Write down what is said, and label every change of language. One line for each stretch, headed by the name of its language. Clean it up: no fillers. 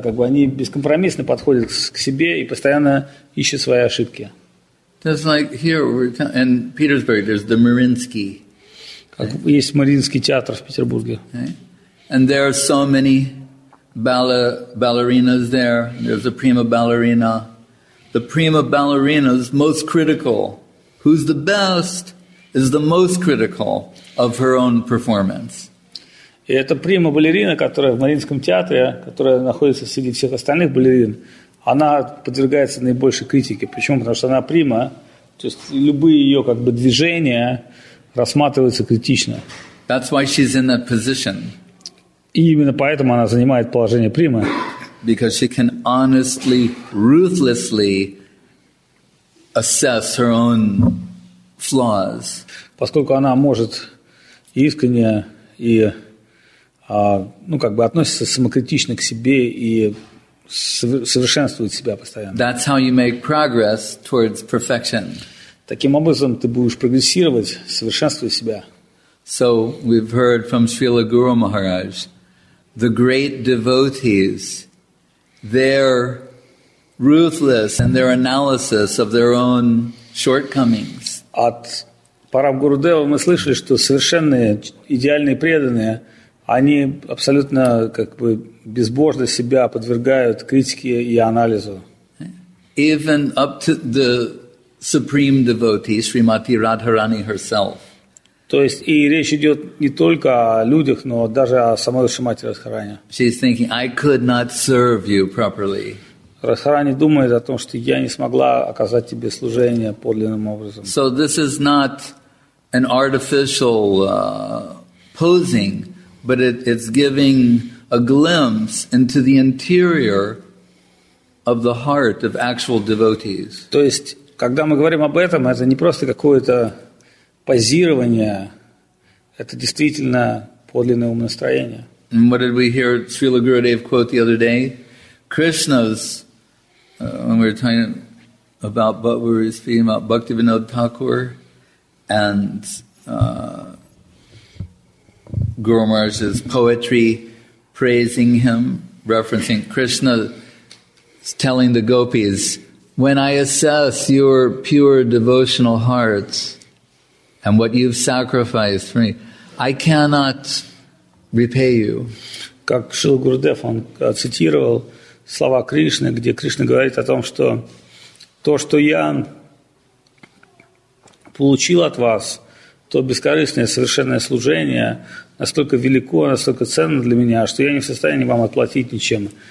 Russian: Как бы они бескомпромиссно подходят к себе и постоянно ищут свои ошибки.
English: It's like here in Petersburg, there's the Mariinsky.
Russian: Есть Мариинский театр в Петербурге.
English: And there are so many ballerinas there. There's a prima ballerina. The prima ballerina is most critical. Who's the best is the most critical of her own performance.
Russian: И эта прима балерина, которая в Мариинском театре, которая находится среди всех остальных балерин, она подвергается наибольшей критике. Почему? Потому что она прима, то есть любые ее как бы движения рассматриваются критично.
English: That's why she's in that position.
Russian: И именно поэтому она занимает положение примы.
English: Because she can honestly, ruthlessly assess her own flaws.
Russian: Поскольку она может искренне и ну как бы относится самокритично к себе и совершенствует себя постоянно.
English: That's how you make progress towards perfection.
Russian: Таким образом ты будешь прогрессировать, совершенствуя себя.
English: So we've heard from Srila Guru Maharaj, the great devotees, they're ruthless in their analysis of their own shortcomings.
Russian: От Парамгурудева мы слышали, что совершенные, идеальные преданные, они абсолютно как бы безбожно себя подвергают критике и анализу.
English: Even up to the supreme devotee, Srimati Radharani herself.
Russian: То есть и речь идет не только о людях, но даже о самой Шримати Радхарани.
English: She's thinking, I could not serve you properly.
Russian: Радхарани думает о том, что я не смогла оказать тебе служение подлинным образом.
English: So this is not an artificial posing. But it's giving a glimpse into the interior of the heart of actual devotees.
Russian: То есть когда мы говорим об этом, это не просто какое-то позирование, это действительно подлинное умонастроение.
English: And what did we hear Srila Gurudev quote the other day? Krishna's, when we were talking about, but we were speaking about Bhaktivinoda Thakur and Guru Maharaj's poetry praising him, referencing Krishna telling the gopis, when I assess your pure devotional hearts and what you've sacrificed for me, I cannot repay you.
Russian: Как Шрила Гурудев, он цитировал слова Кришны, где Кришна говорит о том, что то, что я получил от вас, то бескорыстное совершенное служение настолько велико, настолько ценно для меня, что я не в состоянии вам отплатить ничем.